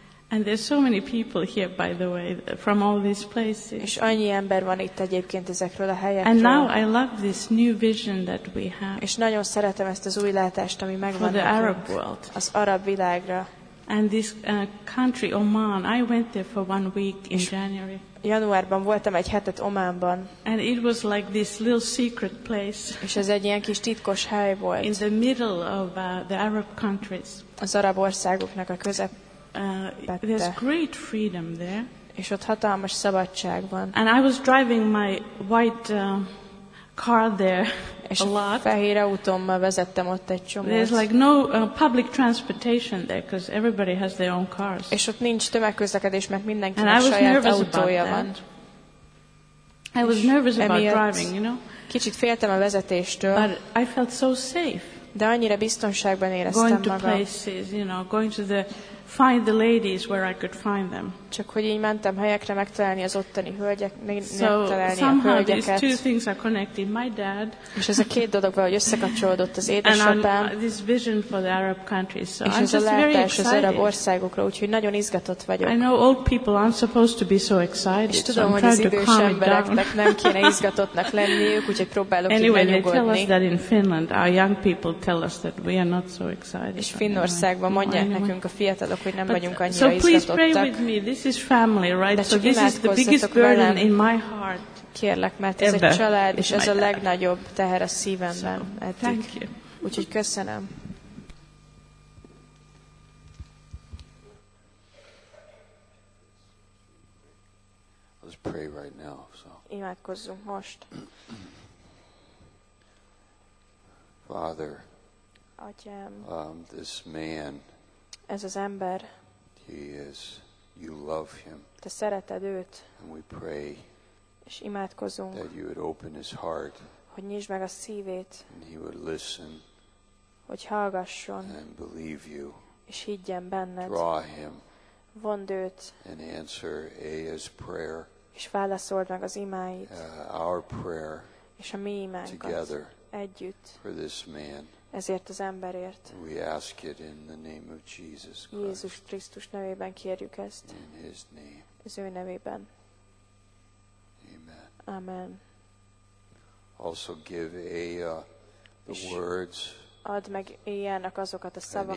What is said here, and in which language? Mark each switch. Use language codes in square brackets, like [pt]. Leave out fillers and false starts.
[en] And there's so many people here, by the way, from all these places. [hu] És annyi ember van itt egyébként ezekről a helyekről. [en] And now I love this new vision that we have. [hu] És nagyon szeretem ezt az új látást, ami megvan. [en] For the Arab world. [hu] Az arab világra. [en] And this country Oman, I went there for 1 week in January. [hu] Januárban voltam egy hetet Ománban. [en] And it was like this little secret place. [hu] És ez egy ilyen kis titkos hely volt. [en] In the middle of the Arab countries. [hu] Az arab országoknak a közepette. [en] There's great freedom there. [hu] És ott hatalmas szabadság van. [en] And I was driving my white car there. [hu] És fehér autómmal vezettem ott egy csomót. [en] There's like no public transportation there because everybody has their own cars. [hu] És ott nincs tömegközlekedés, mert mindenkinek saját autója van. [en] I was nervous about driving, you know. [hu] Kicsit féltem a vezetéstől. [en] But I felt so safe. [hu] De annyira biztonságban éreztem magam. [en] Going to places, you know, going to the find the ladies where I could find them. [hu] Csak hogy így mentem helyekre megtalálni az ottani hölgyek, [en] so somehow these two things are connected. My dad. [hu] És ez a két dolog valahogy összekapcsolódott az édesapám. [en] And this vision for the Arab countries. So [hu] és ez a látás az arab országokra, úgyhogy nagyon izgatott vagyok. [en] I know old people aren't supposed to be so excited. [hu] És tudom, hogy az idős embereknek nem kéne izgatottnak lenniük, úgyhogy próbálok így megnyugodni. [en] Anyway, they tell us that in Finland, our young people tell us that we are not so excited. [hu] És Finnországban mondják nekünk a fiatalok, hogy nem vagyunk annyira izgatottak. [en] So please pray with me. This is family, right? So this is the biggest burden in my heart. [hu] Kérlek, mert ez egy család, és ez a legnagyobb teher a szívemben eddig. [en] Thank you. [hu] Úgyhogy köszönöm. [en] Let's pray right now. So. [hu] Imádkozzunk most. [en] Father. [hu] Atyám. [en] This man. [hu] Ez az ember. [en] He is. You love him. [hu] Te szereted őt. [en] And we pray. [hu] És imádkozunk. [en] That you would open his heart. [hu] Hogy nyisd meg a szívét. [en] And he would listen. [hu] Hogy hallgasson. [en] And believe you. [hu] És higgyen benned. [en] Draw him. [hu] Vond őt. [en] And answer A's prayer. [hu] És válaszold meg az imáit. [en] Our prayer. [hu] És a mi imánkat. [en] Together. [hu] Együtt. [en] For this man. [hu] Ezért az emberért. [en] We ask it in the name of Jesus Christ. [hu] Jézus Krisztus nevében kérjük ezt. [en] In his name. [hu] Az ő nevében. [en] Amen. [hu] Amen. [en] Also give A the words. [hu] Add meg A-nak azokat a szavakat.